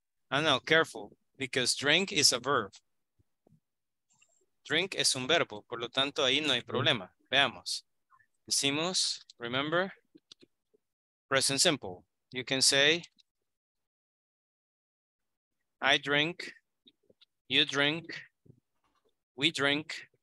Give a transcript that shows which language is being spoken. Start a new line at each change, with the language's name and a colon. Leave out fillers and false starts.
English: I know, careful, because drink is a verb.
Spanish: Drink es un verbo, por lo tanto ahí no hay problema. Veamos. Decimos, remember, present simple.
English: You can say, I drink, you drink, we drink.